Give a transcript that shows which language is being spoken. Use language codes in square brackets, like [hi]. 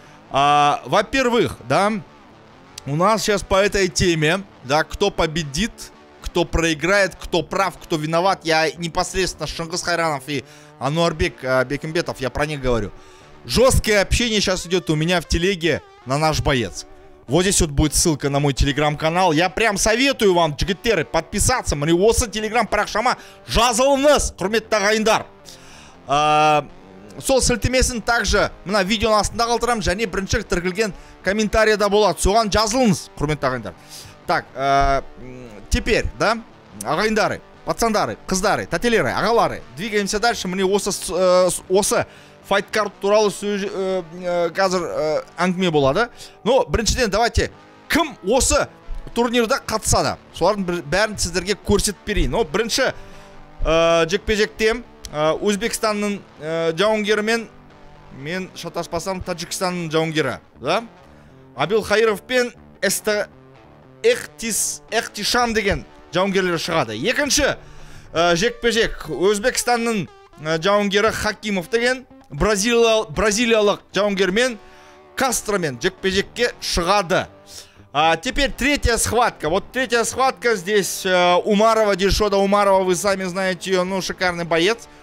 [ru] Во-первых, да, у нас сейчас по этой теме, да, кто победит, кто проиграет, кто прав, кто виноват, я непосредственно Шыңғыс Қайранов и Ануарбек Бекімбетов, я про них говорю. Жесткое общение сейчас идет у меня в телеге на наш боец. Вот здесь вот будет ссылка на мой телеграм-канал. Я прям советую вам, джигиттеры, подписаться. [kk] Мне осы телеграм-парақшама жазылыңыз, құрметті ағайындар. Сол сілтемесін также мына видео астында қалдырам. Және бірінші тіркілген комментарияда болады. Соған жазылыңыз, құрметті ағайындар. [ru] Так, теперь, да, [kk] ағайындары, пацандары, қыздары, тәтелері, ағалары. [ru] Двигаемся дальше. [kk] Мне осы файткарт туралы сөз қазір әңгіме болады. Ну, біріншіден, давайте, кім осы турнирда қатысады? Солардың бәрін сіздерге көрсетіп берейін. Ну, бірінші жекпе-жекте Өзбекстанның жауынгері мен шатаспасам Таджикстанның жауынгері, да? Абилхайров пен Эхтишам деген жауынгерлер шығады. Екінші жекпе-жек Өзбекстанның жауынгері Хакимов деген бразилиялық жауынгермен Кастромен жекпе-жекке шығады. [ru] Теперь третья схватка. Вот третья схватка здесь Умарова, Дильшода Умарова, вы сами знаете ее, ну шикарный боец.